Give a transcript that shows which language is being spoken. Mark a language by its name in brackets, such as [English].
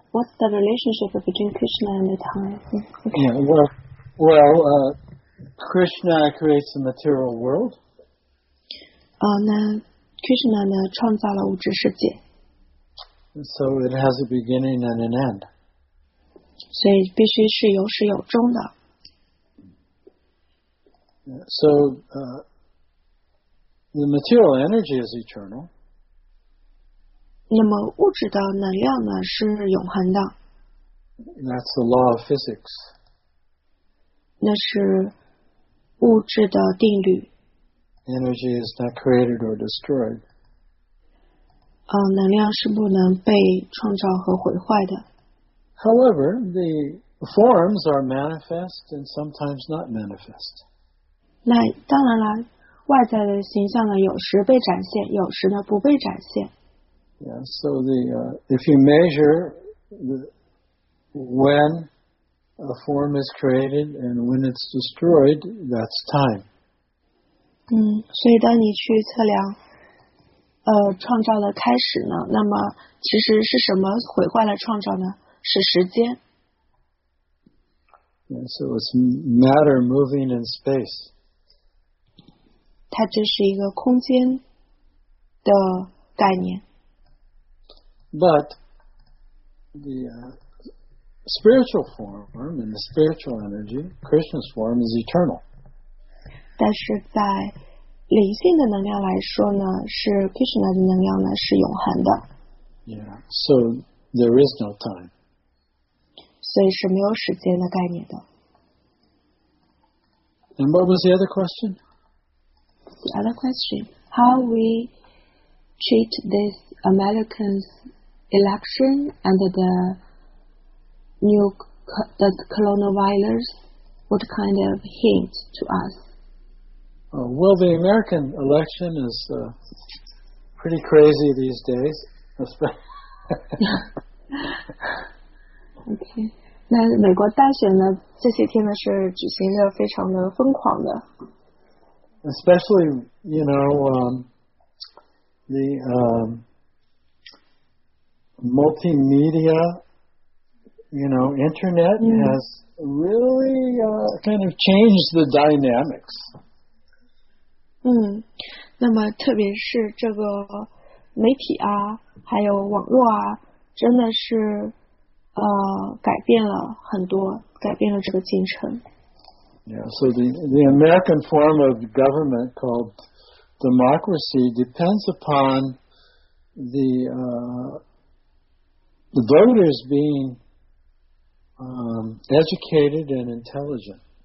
[English] What's the relationship between Krishna and the time? Krishna creates the material world. [Chinese] 那 Krishna 呢创造了物质世界。 [English] So it has a beginning and an end. [Chinese] 所以必须是有始有终的。 [English] So the material energy is eternal. [Chinese] 那么物质的能量呢是永恒的。 [English] That's the law of physics. [Chinese] 那是物质的定律。 [English] Energy is not created or destroyed. [Chinese] 能量是不能被创造和毁坏的。 [English] However, the forms are manifest and sometimes not manifest. [Chinese] 那当然了，外在的形象呢，有时被展现，有时呢不被展现。 [English] Yeah, so the if you measure the when a form is created and when it's destroyed, that's time. [Chinese] 嗯，所以当你去测量。创造的开始呢，那么其实是什么毁坏了创造呢？是时间。 [English] Yeah, so it's matter moving in space. [Chinese] 它这是一个空间的概念。 [English] But the spiritual form and the spiritual energy, Krishna's form, is eternal. [Chinese] 但是在灵性的能量来说呢，是 Krishna 的能量呢是永恒的。 [English] Yeah, so there is no time. [Chinese] 所以是没有时间的概念的。 [English] And what was the other question? The other question: How we treat this American's election and the coronavirus? What kind of hint to us? Well, the American election is pretty crazy these days. [Chinese] Okay. 那美国大选呢？这些天呢是举行的非常的疯狂的。 [English] Especially, you know, the multimedia, you know, internet has really kind of changed the dynamics. [Chinese] 嗯，那么特别是这个媒体啊，还有网络啊，真的是改变了很多，改变了这个进程。 [English] Yeah, so the American form of government called democracy depends upon the voters being educated and intelligent.